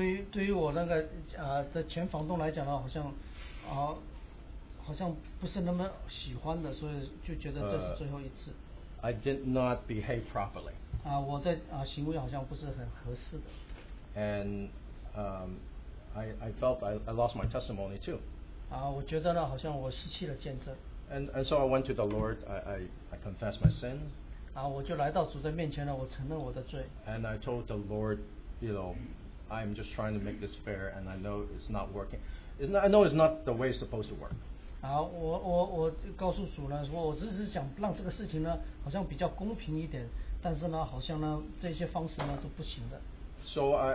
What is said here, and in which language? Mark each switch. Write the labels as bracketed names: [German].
[Chinese] 对于我那个前房东来讲呢，好像不是那么喜欢的，所以就觉得这是最后一次。 [English] I did not behave properly. [Chinese] 我的行为好像不是很合适的。 [English] And I felt I lost my testimony too. [Chinese] 我觉得呢，好像我失去了见证。 [English] And so I went to the Lord. I confessed my sin. [Chinese] 我就来到主的面前呢，我承认我的罪。 [English] And I told the Lord, you know, I'm just trying to make this fair, and I know it's not working. I know it's not the way it's supposed to work. [Chinese] 我告诉主呢，我只是想让这个事情呢，好像比较公平一点，但是呢，好像呢，这些方式呢都不行的。So